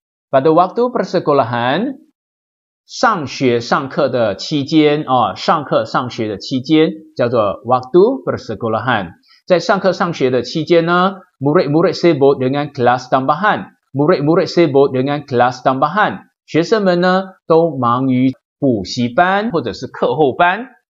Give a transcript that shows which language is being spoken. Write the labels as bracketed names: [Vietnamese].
[Malay] Pada waktu persekolahan, [Chinese] 上学上课的期间、哦、上课上学的期间叫做 waktu persekolahan. 在上课上学的期间呢 [Malay] ,murid-murid sibuk dengan kelas tambahan. Murid-murid sibuk dengan kelas tambahan. [Chinese] 学生们呢都忙于补习班或者是课后班。